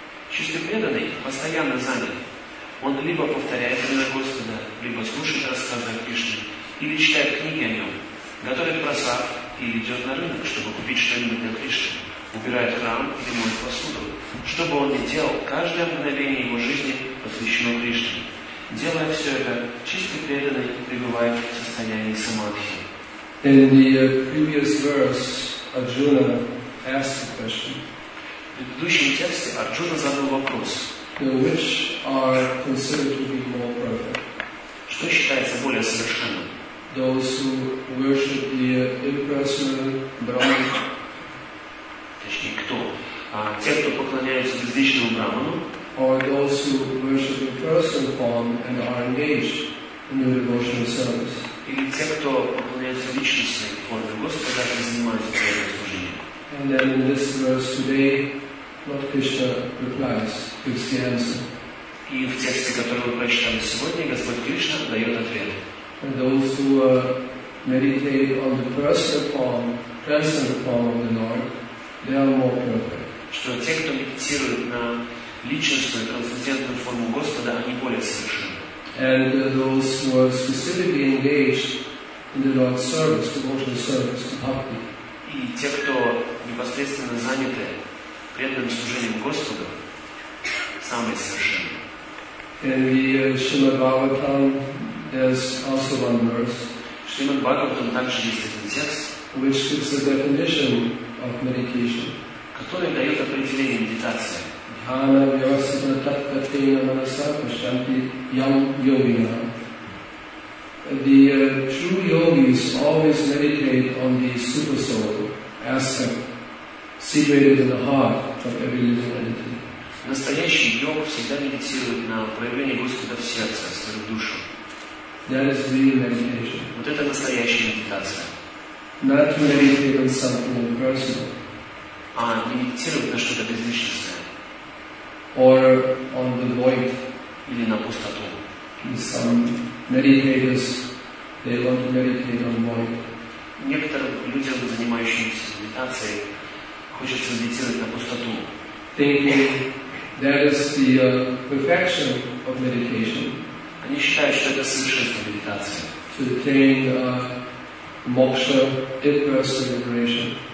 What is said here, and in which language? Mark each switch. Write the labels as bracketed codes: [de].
[ru] Чистый преданный постоянно занят. Он либо повторяет имя Господа, либо слушает рассказы о Кришне, или читает книги о нем, готовит просад или идет на рынок, чтобы купить что-нибудь для Кришны, убирает храм или моет посуду. Что бы он ни делал, каждое мгновение его жизни посвящено Кришне. Делая все это, чистый преданный пребывает в состоянии самадхи. [en] In the previous verse, Arjuna asked a question. [ru] В предыдущем тексте Арджуна задал вопрос. [en] Which are considered to be more perfect? [ru] Что считается более совершенным? [en] Those who worship the impersonal Brahman. [ru] Точнее, кто? Те, кто поклоняются безличному Брахману. [en] Or those who worship the impersonal form and are engaged in the devotional service. [ru] Или те, кто поклоняются личностной форме Господа и занимаются преданным служением. [en] And then in this verse today, what Krishna replies, gives the answer. [ru] И в тексте, который мы прочитали сегодня, Господь Кришна дает ответ. [en] And those who meditate on the personal form of the Lord, they are more perfect. [ru] Что те, кто медитирует на личностную, трансцендентную форму Господа, они более совершенны. [en] And those who are specifically engaged in the Lord's service, devotional service, bhakti. [ru] И те, кто непосредственно заняты преданным служением Господу, самые совершенные. [en] In the Srimad Bhagavatam, there's also one verse. [ru] Srimad Bhagavatam также есть один текст, [en] which gives a definition of meditation. [ru] Который дает определение медитации. [sa] Dhyana vyavasthita tattvatena manasa prashanti yam yogina. [en] The true yogis always meditate on the super soul aspect, situated in the heart of every living entity. [ru] Настоящий йог всегда медитирует на проявление Господа в сердце, в свою душу. [en] That is real meditation. [ru] Вот это настоящая медитация. [en] Not to meditate on something personal. [ru] А не медитировать на что-то безличностное. [en] Or on the void. [ru] Или на пустоту. [en] Some meditators, they want to meditate on void. [ru] Некоторым людям, занимающимся медитацией, хочется медитировать на пустоту. [en] That is the perfection of meditation. [ru] Они считают, что это совершенство медитации. [en] To attain moksha, impersonal liberation.